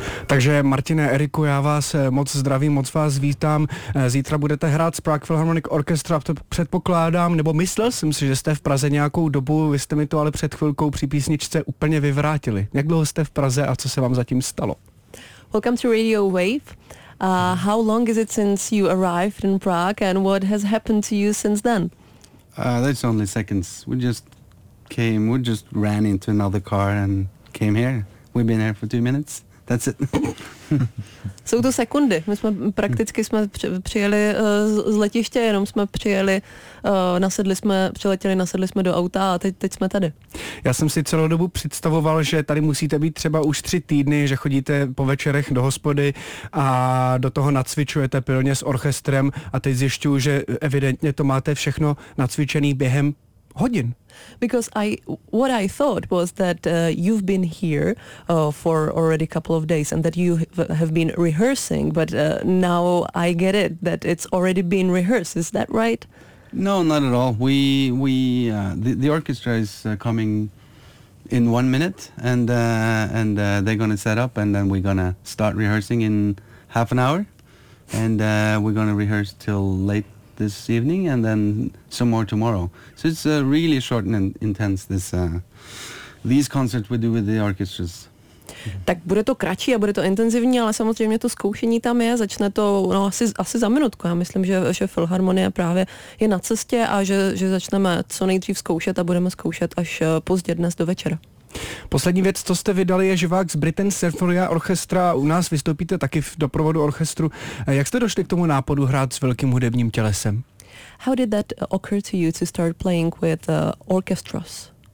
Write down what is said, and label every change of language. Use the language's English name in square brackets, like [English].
[Czech] Takže Martine, Eriku, já vás moc zdravím, moc vás vítám. Zítra budete hrát s Prague Philharmonic Orchestra, to předpokládám, nebo myslel jsem si, že jste v Praze nějakou dobu, vy jste mi to ale před chvilkou při písničce úplně vyvrátili. Jak dlouho jste v Praze a co se vám zatím stalo? [English] Welcome to Radio Wave. How long is it since you arrived in Prague and what has happened to you since then? That's only seconds. We just ran into another car and came here. We've been here for 2 minutes. That's it. [Czech] Jsou to sekundy. My jsme prakticky jsme přijeli z letiště, jenom jsme přijeli, nasedli jsme do auta a teď jsme tady. Já jsem si celou dobu představoval, že tady musíte být třeba už 3 týdny, že chodíte po večerech do hospody a do toho nacvičujete pilně s orchestrem a teď zjišťuju, že evidentně to máte všechno nacvičený během hodin. [English] Because what I thought was that you've been here for already a couple of days and that you have been rehearsing, but now I get it, that it's already been rehearsed. Is that right? No, not at all. The orchestra is coming in 1 minute and they're going to set up and then we're going to start rehearsing in half an hour and we're going to rehearse till late this evening and then some more tomorrow. So it's really short and intense, these concerts we do with the orchestras. [Czech] Tak bude to kratší a bude to intenzivní, ale samozřejmě to zkoušení tam je, začne to asi za minutku. Já myslím, že Filharmonie právě je na cestě a že začneme co nejdřív zkoušet a budeme zkoušet až pozdě dnes do večera. Poslední věc, co jste vydali, je živák z Britain Symphony Orchestra. U nás vystoupíte taky v doprovodu orchestru. Jak jste došli k tomu nápadu hrát s velkým hudebním tělesem? [English] How did that occur to you to start playing with orchestras?